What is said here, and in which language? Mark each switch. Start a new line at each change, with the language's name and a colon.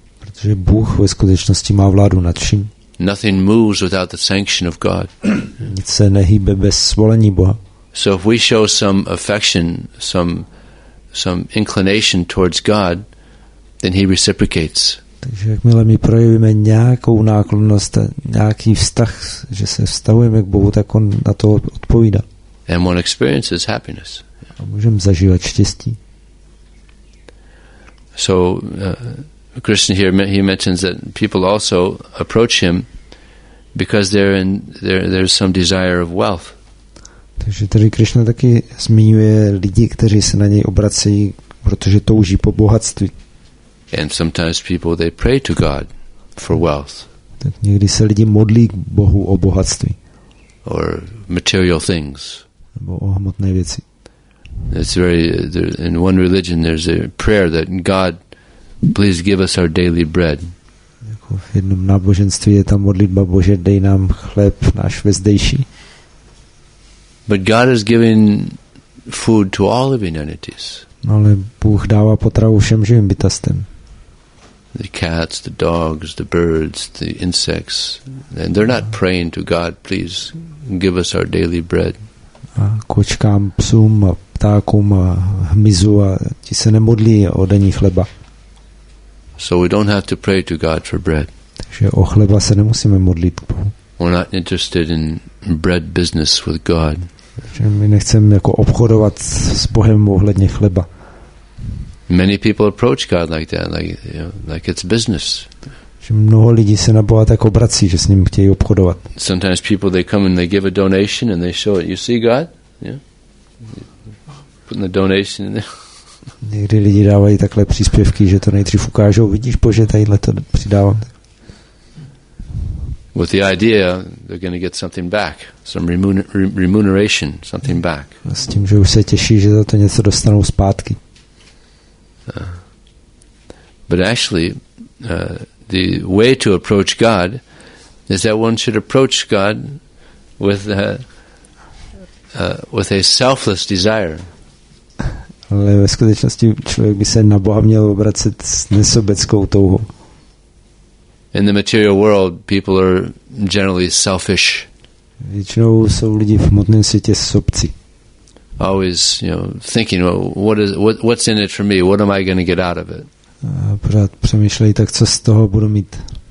Czech: Protože Bůh ve skutečnosti má vládu nad vším.
English: Nothing moves without the sanction of God.
Czech: Nic se nehýbe bez svolení Boha.
English: So if we show some affection, some inclination towards God, then he reciprocates.
Czech: Takže jakmile my projevíme nějakou náklonnost, nějaký vztah, že se vztahujeme k Bohu, tak on na to odpovídá.
English: And one experiences happiness.
Czech: A můžeme zažívat štěstí.
English: So Krishna here he mentions that people also approach him because there's some desire of wealth.
Czech: Takže tady Krishna taky zmiňuje lidi, kteří se na něj obracejí, protože touží po bohatství.
English: And sometimes people they pray to God for wealth.
Czech: Tak někdy se lidi modlí k Bohu o bohatství.
English: Or material things.
Czech: Nebo o hmotné věci.
English: It's very in one religion there's a prayer that God please give us our daily bread.
Czech: V jednom náboženství je ta modlitba Bože, dej nám chléb náš vezdejší.
English: But God has given food to all living entities.
Czech: Ale Bůh dává potravu všem živým bytostem.
English: The cats, the dogs, the birds, the insects, and they're not praying to God, please give us our daily bread.
Czech: A kočkám, psům, ptákům, hmyzu, a ti se nemodlí o denní chleba.
English: So we don't have to pray to God for bread.
Czech: Takže o chleba se nemusíme modlit.
English: We're not interested in bread business with God.
Czech: Že my nechceme jako obchodovat s Bohem ohledně chleba.
English: Many people approach God like that, like, you know, like it's business.
Czech: Že mnoho lidí se na Boha tak obrací, že s ním chtějí obchodovat.
English: Sometimes people, they come and they give a donation and they show it. You see God? Yeah. Putting the donation in there.
Czech: Někdy lidi dávají takhle příspěvky, že to nejdřív ukážou. Vidíš, Bože, tadyhle to přidávám.
English: With the idea they're going to get something back, some remuneration, something back.
Czech: A s tím, že už se těší, že za to něco dostanou zpátky.
English: But actually, the way to approach God is that one should approach God with a selfless desire.
Czech: Ale ve skutečnosti člověk by se na Boha měl obracet s nesobeckou touhou.
English: In the material world, people are generally selfish.
Czech: Většinou jsou lidi v hmotném světě sobci.
English: Always, you know, thinking, well, what's in it for me? What am I going to get out of it?
Czech: A pořád přemýšlej, tak co z toho budu mít?